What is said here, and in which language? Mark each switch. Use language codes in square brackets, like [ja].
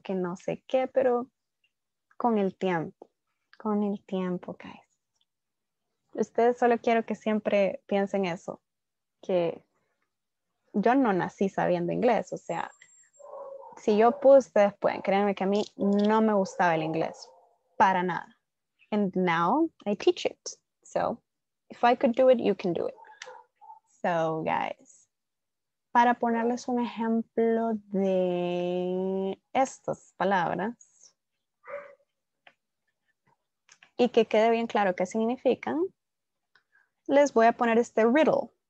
[es] Que no sé qué, pero con el tiempo, guys. Ustedes solo quiero que siempre piensen eso, que yo no nací sabiendo inglés. O sea, si yo pude, ustedes pueden. Créanme que a mí no me gustaba el inglés para nada. [en] And now I teach it. So if I could do it, you can do it. So guys, [es] para ponerles un ejemplo de estas palabras y que quede bien claro qué significan, les voy a poner este riddle.